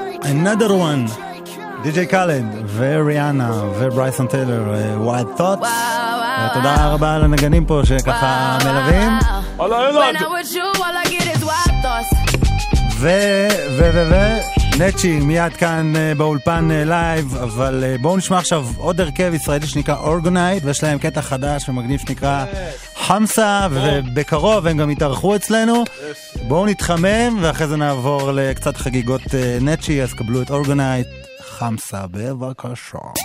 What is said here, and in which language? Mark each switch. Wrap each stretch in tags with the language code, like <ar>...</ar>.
<en>Another one, DJ Khaled וריאנה וברייסון טיילר, Wild Thoughts.</en> <he>תודה רבה לנגנים פה שככה מלווים. הלאה, הלאה.</he> <en>When I'm with you, all I get is Wild Thoughts.</en> <he>נצ'י מיד כאן באולפן לייב, אבל בואו נשמע עכשיו עוד הרכב ישראלי שנקרא אורגנייט, ויש להם קטע חדש ומגניב שנקרא חמסה, ובקרוב הם גם יתארחו אצלנו. בואו נתחמם ואחרי זה נעבור לקצת חגיגות נצ'י, אז קבלו את אורגנייט, חמסה, בבקשה.</he>